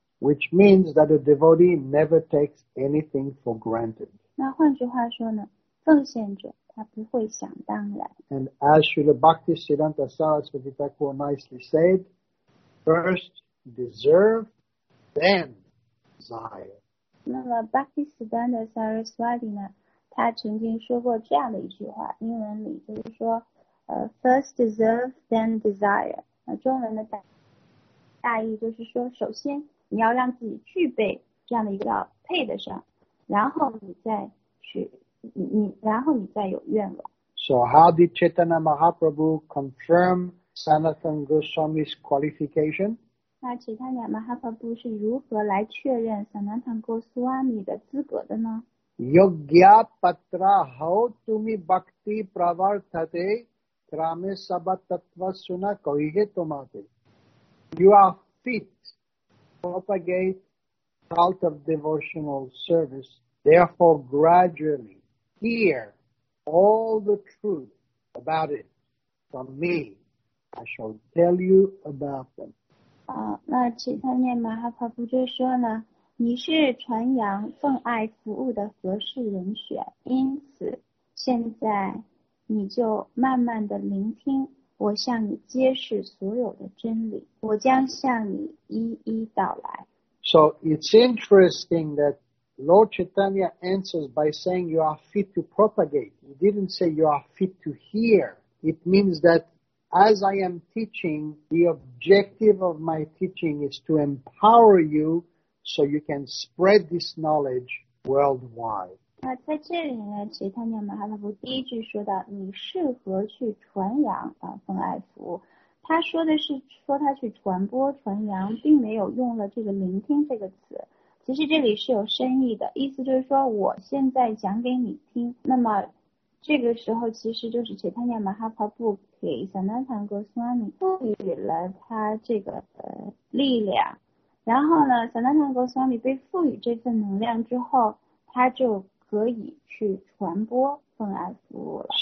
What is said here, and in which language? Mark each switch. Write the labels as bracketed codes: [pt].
[en] Which means that a devotee never takes anything for granted. [zh] 那换句话说呢，奉献者他不会想当然。 [en] And as Srila Bhaktisiddhanta Saraswati Thakur nicely said, first deserve, then desire. [zh] 那么 Bhaktisiddhanta Saraswati 呢，他曾经说过这样的一句话，英文里就是说 [en] first deserve, then desire. [zh] 那中文的大意就是说，首先你要让自己具备这样的一个配得上，然后你再去然后你再有愿望。 [en] So how did Chaitanya Mahaprabhu confirm Sanatan Goswami's qualification? [zh] 那 Chaitanya Mahaprabhu 是如何来确认 Sanatan Goswami 的资格的呢？ [sa] Yogya patra hau tumi bhakti pravartate krame sabha tattva suna kahihe tumate. [en] You are fit. Propagate cult of devotional service. Therefore, gradually hear all the truth about it from me. I shall tell you about them. [zh] 那其他念马哈帕布就说呢，你是传扬奉爱服务的合适人选，因此现在你就慢慢的聆听。我向你揭示所有的真理，我将向你一一道来。 [en] So it's interesting that Lord Chaitanya answers by saying you are fit to propagate. He didn't say you are fit to hear. It means that as I am teaching, the objective of my teaching is to empower you so you can spread this knowledge worldwide. [zh] 那在这里呢，其他念马哈拉布第一句说到你适合去传扬奉爱服务，他说的是说他去传播传扬，并没有用了这个聆听这个词，其实这里是有深意的，意思就是说我现在讲给你听，那么这个时候其实就是其他念马哈拉布给桑丹坦格苏阿米赋予了他这个力量，然后呢桑丹坦格苏阿米被赋予这份能量之后，他就可以去传播奉爱服务了。